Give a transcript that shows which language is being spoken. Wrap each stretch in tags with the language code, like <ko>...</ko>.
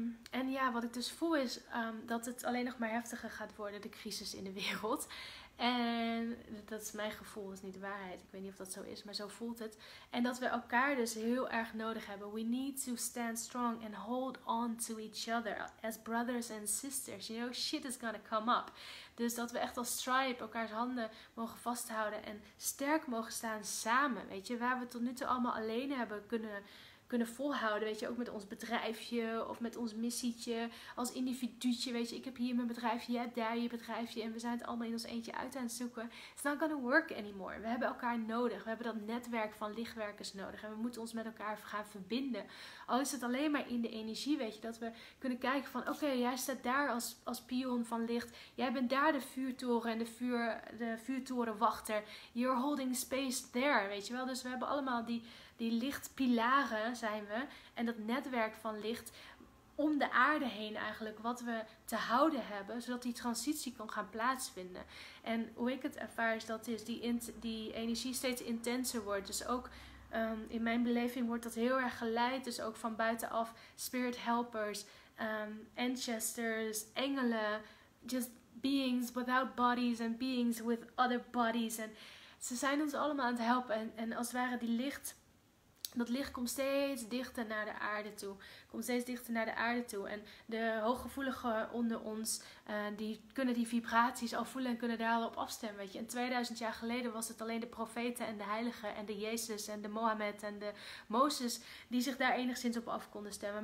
<nl>En ja, wat ik dus voel is dat het alleen nog maar heftiger gaat worden, de crisis in de wereld. En dat is mijn gevoel, dat is niet de waarheid. Ik weet niet of dat zo is, maar zo voelt het. En dat we elkaar dus heel erg nodig hebben.</nl> <en>We need to stand strong and hold on to each other as brothers and sisters. You know, shit is gonna come up.</en> <nl>Dus dat we echt als tribe elkaars handen mogen vasthouden en sterk mogen staan samen. Weet je, waar we tot nu toe allemaal alleen hebben kunnen volhouden, weet je, ook met ons bedrijfje of met ons missietje, als individuutje, weet je, ik heb hier mijn bedrijfje, jij hebt daar je bedrijfje en we zijn het allemaal in ons eentje uit aan het zoeken.</nl> <en>It's not gonna work anymore.</en> <nl>We hebben elkaar nodig, we hebben dat netwerk van lichtwerkers nodig en we moeten ons met elkaar gaan verbinden. Al is het alleen maar in de energie, weet je, dat we kunnen kijken van, oké, jij staat daar als pion van licht, jij bent daar de vuurtoren en de vuurtorenwachter,</nl> <en>you're holding space there,</en> <nl>weet je wel, dus we hebben allemaal die lichtpilaren zijn we. En dat netwerk van licht om de aarde heen eigenlijk. Wat we te houden hebben. Zodat die transitie kan gaan plaatsvinden. En hoe ik het ervaar is dat is die energie steeds intenser wordt. Dus ook in mijn beleving wordt dat heel erg geleid. Dus ook van buitenaf spirit helpers, ancestors, engelen.</nl> <en>Just beings without bodies and beings with other bodies.</en> <nl>En ze zijn ons allemaal aan het helpen. En als het ware die licht... Dat licht komt steeds dichter naar de aarde toe. Komt steeds dichter naar de aarde toe. En de hooggevoeligen onder ons, die kunnen die vibraties al voelen en kunnen daar al op afstemmen. Weet je. En 2000 jaar geleden was het alleen de profeten en de heiligen en de Jezus en de Mohammed en de Mozes die zich daar enigszins op af konden stemmen.</nl>